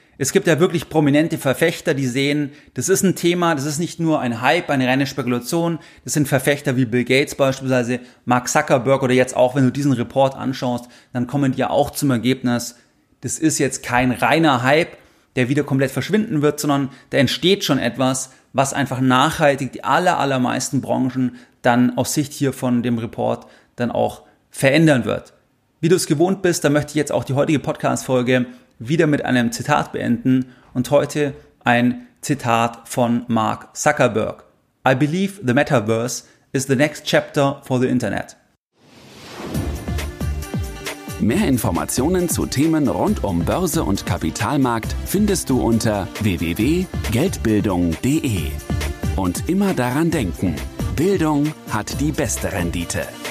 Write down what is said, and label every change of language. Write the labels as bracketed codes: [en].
[de] Es gibt ja wirklich prominente Verfechter, die sehen, das ist ein Thema, das ist nicht nur ein Hype, eine reine Spekulation, das sind Verfechter wie Bill Gates beispielsweise, Mark Zuckerberg oder jetzt auch, wenn du diesen Report anschaust, dann kommen die ja auch zum Ergebnis, das ist jetzt kein reiner Hype, der wieder komplett verschwinden wird, sondern da entsteht schon etwas, was einfach nachhaltig die allermeisten Branchen dann aus Sicht hier von dem Report dann auch verändern wird. Wie du es gewohnt bist, da möchte ich jetzt auch die heutige Podcast-Folge wieder mit einem Zitat beenden und heute ein Zitat von Mark Zuckerberg. [en] I believe the metaverse is the next chapter for the Internet. [de] Mehr Informationen zu Themen rund um Börse und Kapitalmarkt findest du unter www.geldbildung.de. Und immer daran denken, Bildung hat die beste Rendite.